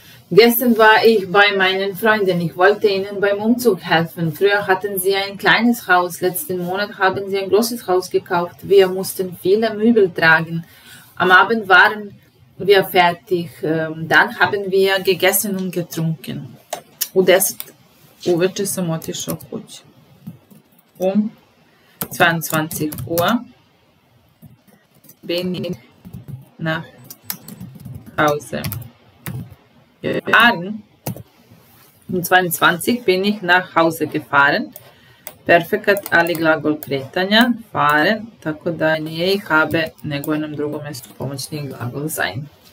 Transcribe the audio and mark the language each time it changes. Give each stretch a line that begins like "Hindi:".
German: Gestern war ich bei meinen Freunden. Ich wollte ihnen beim Umzug helfen. Früher hatten sie ein kleines Haus. Letzten Monat haben sie ein großes Haus gekauft. Wir mussten viele Möbel tragen. Am Abend waren wir fertig. Dann haben wir gegessen und getrunken. Und jetzt
Serbian: uveče sam otišao kuć.
German: Um 22 Uhr bin ich nach Hause. Gefahren. Um 22 bin ich nach Hause gefahren.
Serbian: Perfekt, ali glagol kretanja, fahren, tako da nije
German: ich habe,
Serbian: nego je nam drugom mjestu pomoćni glagol sein.